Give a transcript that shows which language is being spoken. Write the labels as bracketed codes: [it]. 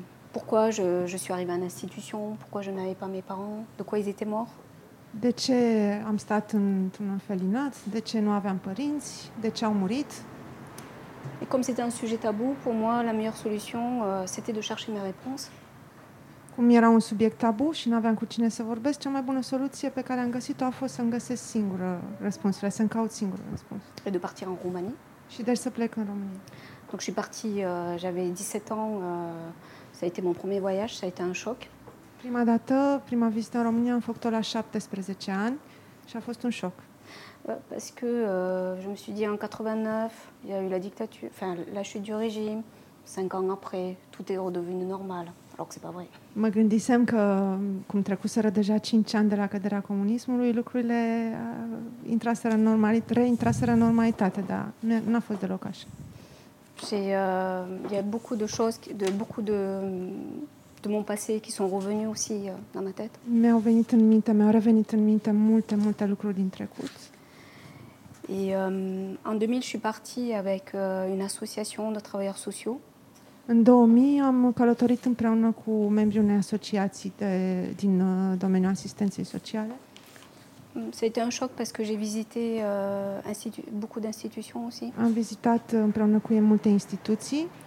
[fr] Pourquoi je suis arrivée en institution? Pourquoi je n'avais pas mes parents? De quoi ils étaient morts? [ro] De ce am stat într-un orfelinat? De ce nu aveam părinți? De ce au murit? [fr] Et comme c'était un sujet tabou, pour moi, la meilleure solution, c'était de chercher mes réponses. [ro] Cum era un subiect tabu și nu aveam cu cine să vorbesc, cea mai bună soluție pe care am găsit-o a fost să-mi găsesc singură răspunsurile, să-mi caut singură răspunsurile. [fr] Et de partir en Roumanie. [ro] Și deci să plec în România. [fr] Donc je suis partie, j'avais 17 ans, ça a été mon premier voyage, ça a été un choc. [ro] Prima dată, prima vizită în România, am făcut-o la 17 ani și a fost un șoc. [fr] Parce que je me suis dit en 89, il y a eu la dictature, enfin la chute du régime, 5 ans après, tout est redevenu normal. Alors que c'est pas vrai. [ro] Mă gândisem că cum trecuseră deja 5 ani de la căderea comunismului, lucrurile intraseră în normalitate, reintraseră în normalitate, dar n-a fost deloc așa. [fr] C'est il y a beaucoup de choses de beaucoup de mon passé qui sont revenus aussi dans ma tête. [ro] Mi-au venit în minte, mi-au revenit în minte multe, multe lucruri din trecut. [fr] Et en 2000, je suis partie avec une association de travailleurs sociaux. [ro] În 2000 am călătorit împreună cu membrii unei asociații din domeniul asistenței sociale. [fr] Ça a été un choc parce que j'ai visité beaucoup d'institutions aussi. [ro] Am vizitat împreună cu ei multe instituții.